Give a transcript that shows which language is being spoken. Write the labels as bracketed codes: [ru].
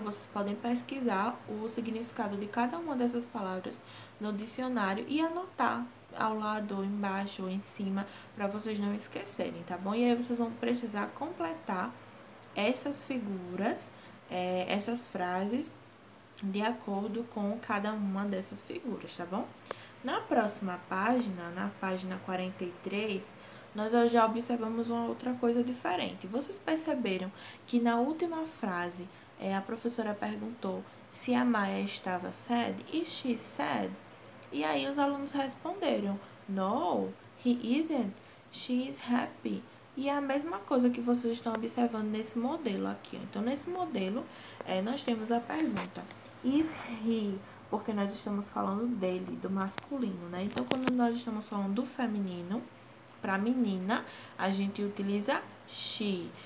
[pt] Vocês podem pesquisar o significado de cada uma dessas palavras no dicionário e anotar ao lado, embaixo ou em cima, para vocês não esquecerem, tá bom? E aí vocês vão precisar completar essas figuras, essas frases, de acordo com cada uma dessas figuras, tá bom? Na próxima página, na página 43, nós já observamos uma outra coisa diferente. Vocês perceberam que na última frase, a professora perguntou se a Maya estava sad? [en] Is she sad? [pt] E aí os alunos responderam: [en] No, he isn't. She is happy. [pt] E é a mesma coisa que vocês estão observando nesse modelo aqui. Então, nesse modelo, nós temos a pergunta: [en] Is he? [pt] Porque nós estamos falando dele, do masculino, né? Então, quando nós estamos falando do feminino, Para menina, a gente utiliza she.